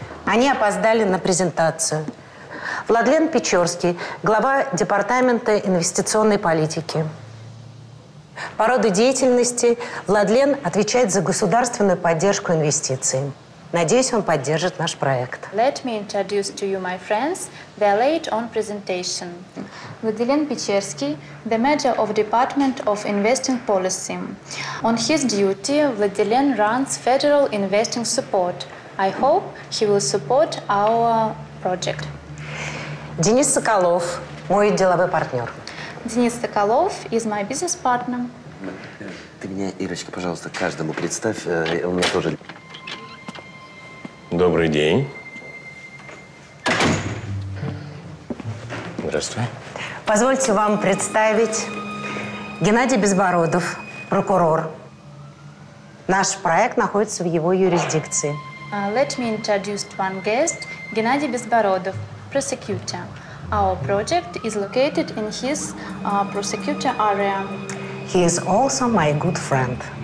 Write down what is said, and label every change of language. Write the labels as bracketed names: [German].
[Russian] Они опоздали на презентацию. Владлен Печорский, глава Департамента инвестиционной политики. По роду деятельности Владлен отвечает за государственную поддержку инвестиций. Надеюсь, он поддержит наш проект. [English] Let me introduce to you my friends, they're late on presentation. Владлен Печерский, the manager of Department of Investing Policy. On his duty, Владлен runs Federal Investing Support. I hope he will support our project. [Russian] Денис Соколов, мой деловой партнер. [English] Денис Соколов is my business partner. [Russian] Ты меня, Ирочка, пожалуйста, каждому представь. У меня тоже... Добрый день. Здравствуй. Позвольте вам представить Геннадий Безбородов, прокурор. Наш проект находится в его юрисдикции. [English] Let me introduce one guest, Геннадий Безбородов, prosecutor. Our project is located in his prosecutor area. He is also my good friend.